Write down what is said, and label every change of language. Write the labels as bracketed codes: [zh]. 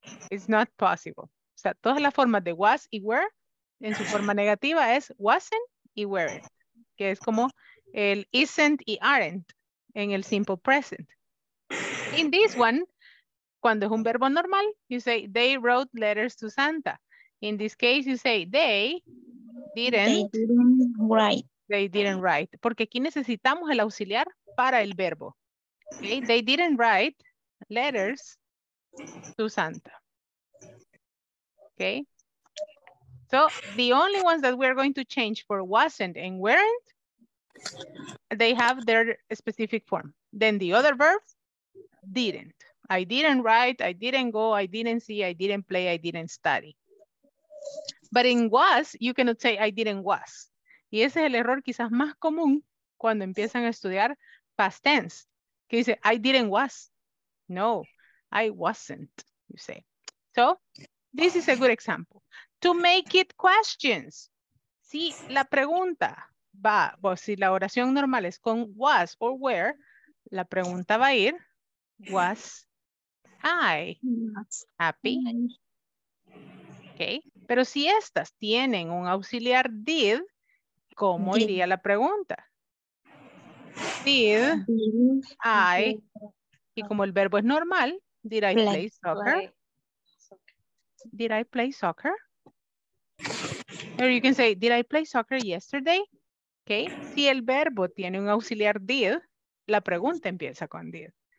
[en] It's not possible. [es] O sea, todas las formas de was y were en su forma negativa es wasn't y weren't, que es como el isn't y aren't en el simple present. [en] In this one, [es] Cuando es un verbo normal, [en] you say, they wrote letters to Santa. In this case, you say, they didn't write. [es] Porque aquí necesitamos el auxiliar para el verbo. [en] Okay? They didn't write letters to Santa. Okay? So, the only ones that we're going to change for wasn't and weren't, they have their specific form. Then the other verbs, didn't. I didn't write, I didn't go, I didn't see, I didn't play, I didn't study. But in was, you cannot say I didn't was. [es] Y ese es el error quizás más común cuando empiezan a estudiar past tense. Que dice, [en] I didn't was. No, I wasn't, you say. So, this is a good example. To make it questions. [es] Si la pregunta va, o si la oración normal es con was or were, la pregunta va a ir, [en] was I happy? [es] Okay. Pero si estas tienen un auxiliar did, ¿cómo iría la pregunta? [en] Did I, [es] y como el verbo es normal, [en] did I play soccer? Did I play soccer? Or you can say, did I play soccer yesterday? Okay. [es] Si el verbo tiene un auxiliar did, la pregunta empieza con did.